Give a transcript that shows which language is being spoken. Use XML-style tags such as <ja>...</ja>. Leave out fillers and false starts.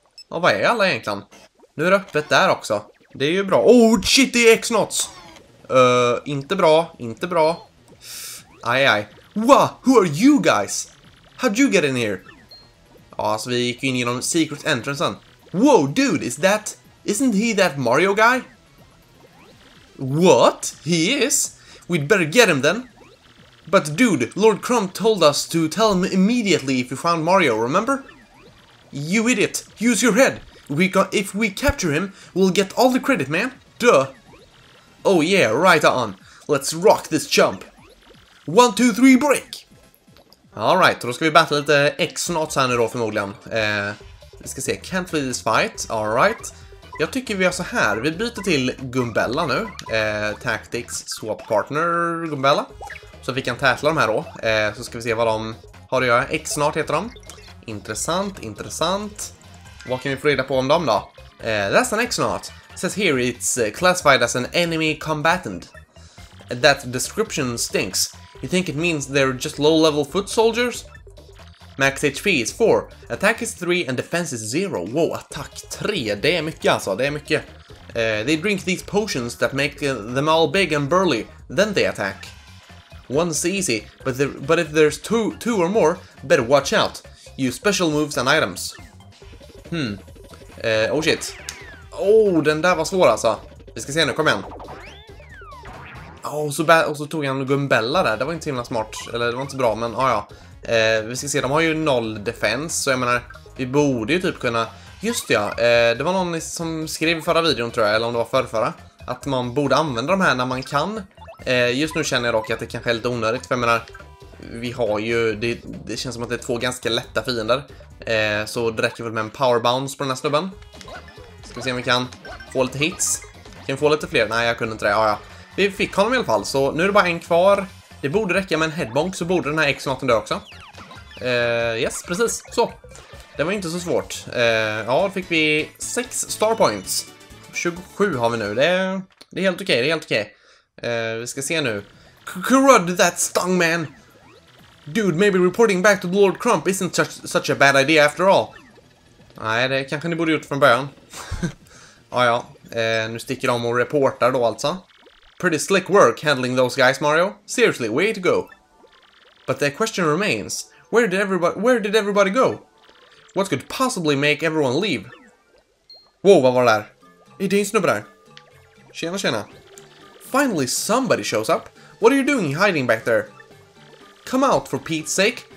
<sv>Ja, vad är alla egentligen? Nu är det öppet där också. Det är ju bra. Oh, shit, det är X-Nots! Inte bra, inte bra. Aj.</sv> <en>Wow, who are you guys? How'd you get in here?</en> <sv>Ja, så vi gick in genom secret entrancen.</sv> <en>Whoa, dude, isn't he that Mario guy? What? He is? We'd better get him then. But dude, Lord Crumb told us to tell him immediately if we found Mario, remember? You idiot, use your head. If we capture him, we'll get all the credit, man. Duh. Oh yeah, right on. Let's rock this chump. 1, 2, 3, break!</en> <sv>Alright, då ska vi battle lite X-Nots här nu då förmodligen. Vi ska se,</sv> <en>can't play this fight.</en> <sv>Alright. Jag tycker vi gör så här. Vi byter till Gumbella nu. Tactics Swap Partner Gumbella. Så vi kan tätla de här då. Så ska vi se vad de har att göra. X-Nart heter de. Intressant, intressant. Vad kan vi få reda på om dem då?</sv> <en>That's an X-Nart. Says here it's classified as an enemy combatant. That description stinks. You think it means they're just low-level foot soldiers? Max HP is 4, attack is 3 and defense is 0.</en> <sv>Wow, attack 3, det är mycket alltså, det är mycket.</sv> <en>They drink these potions that make them all big and burly, then they attack. One's easy, but if there's two or more, better watch out. Use special moves and items. Oh shit.</en> <sv>Oh, den där var svår alltså. Vi ska se nu, kom igen. Och så tog han Gumbella där, det var inte så himla smart, eller det var inte så bra, men ja. Vi ska se, de har ju noll defense, så jag menar, vi borde ju typ kunna... Just det, ja, det var någon som skrev i förra videon tror jag, eller om det var förra, att man borde använda de här när man kan. Just nu känner jag dock att det kanske är lite onödigt, för jag menar, vi har ju, det känns som att det är två ganska lätta fiender. Så det räcker väl med en powerbounce på den här snubben. Ska vi se om vi kan få lite hits. Kan vi få lite fler? Nej, jag kunde inte det, ja. Vi fick honom i alla fall, så nu är det bara en kvar. Det borde räcka med en headbonk, så borde den här X-maten dö också. Yes, precis. Så. Det var inte så svårt. Ja, då fick vi 6 star points. 27 har vi nu. Det är helt okej. Vi ska se nu.</sv> <en>Crud that stung man! Dude, maybe reporting back to Lord Crump isn't such a bad idea after all.</en> <sv>Nej, det kanske ni borde gjort från början. Ja. Nu sticker de och reportar då alltså.</sv> <en>Pretty slick work handling those guys, Mario. Seriously, way to go. But the question remains, where did everybody go? What could possibly make everyone leave?</en> <sv>Wow, vad var det där? Är det en snubbe där? Tjena.</sv> <en>Finally somebody shows up. What are you doing hiding back there? Come out for Pete's sake.</en>